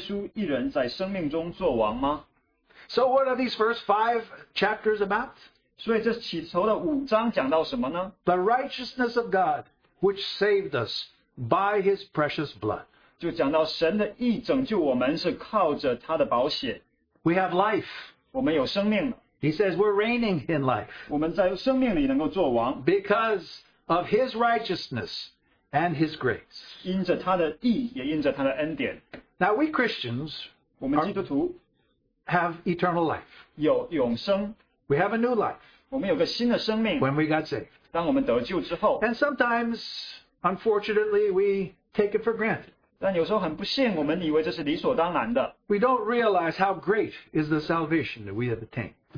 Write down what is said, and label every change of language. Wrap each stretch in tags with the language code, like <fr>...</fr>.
<zh>若因一人的过犯，死就因这一人做了王。这个一人就是讲到亚当。何况那些受洪恩，这个洪恩就是丰丰富富的恩典，又蒙所赐之义的，岂不更要因耶稣一人在生命中做王吗？</zh> <en>So what are these first five chapters about?</en> <zh>所以这起头的五章讲到什么呢？</zh> <en>The righteousness of God, which saved us by His precious blood.</en> <zh>就讲到神的义拯救我们是靠着他的宝血。</zh> <en>We have life.</en> <zh>我们有生命。</zh> <en>He says we're reigning in life.</en> <zh>我们在生命里能够做王。</zh> <en>Because of His righteousness and His grace.</en> <zh>因着他的义，也因着他的恩典。</zh> <en>Now we Christians,</en> <zh>我们基督徒,</zh> <en>have eternal life.</en> <zh>有永生。</zh> <en>We have a new life.</en> <zh>我们有个新的生命。</zh> <en>When we got saved.</en> <zh>当我们得救之后。</zh> <en>And sometimes, unfortunately, we take it for granted.</en> <zh>但有时候很不幸，我们以为这是理所当然的。</zh> <en>We don't realize how great is the salvation that we have attained.</en>